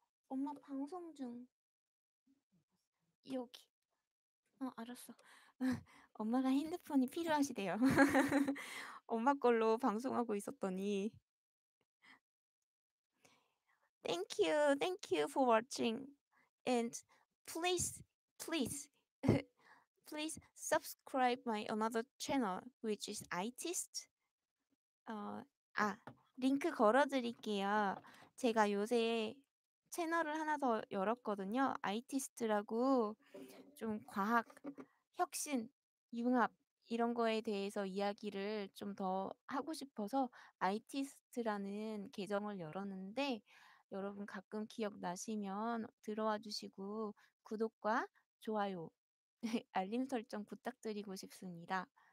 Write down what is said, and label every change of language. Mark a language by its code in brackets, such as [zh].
[ko] 엄마 방송 중. 여기. 알았어. 엄마가 핸드폰이 필요하시대요. 엄마 걸로 방송하고 있었더니. [en] Thank you. Thank you for watching. And please, please, please subscribe my another channel, which is ITIST. [ko] 링크 걸어드릴게요. 제가 요새 채널을 하나 더 열었거든요. 아이티스트라고 좀 과학, 혁신, 융합 이런 거에 대해서 이야기를 좀 더 하고 싶어서 아이티스트라는 계정을 열었는데 여러분 가끔 기억나시면 들어와 주시고 구독과 좋아요, 알림 설정 부탁드리고 싶습니다.